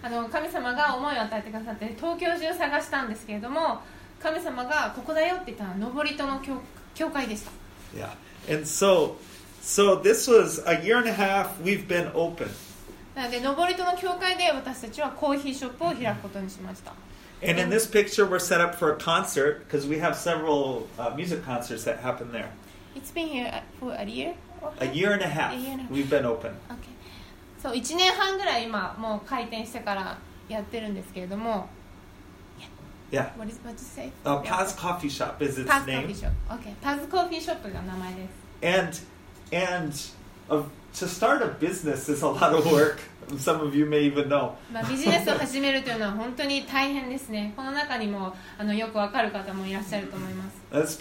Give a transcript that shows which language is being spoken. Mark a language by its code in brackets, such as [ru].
[ja] 神様が思いを与えてくださって東京中探したんですけれども、神様がここだよって言ったのは Noborito の教会でした。 [en] Yeah, and so this was a year and a half we've been open. [ja] なので、登戸の教会で私たちはコーヒーショップを開くことにしました。 [en] And in this picture, we're set up for a concert because we have several music concerts that happen there. It's been here for a year? A year and a half. We've been open. Okay. [ja] So, 1年半ぐらい今、もう開店してからやってるんですけれども。 [en] Yeah. What did you say? Paz Coffee Shop is its name. Paz Coffee Shop. Okay. [ja] Paz Coffee Shop が名前です。 [en] And of... To start a business is a lot of work. Some of you may even know. [ja] ビジネスを始めるというのは本当に大変ですね。この中にもよくわかる方もいらっしゃると思います。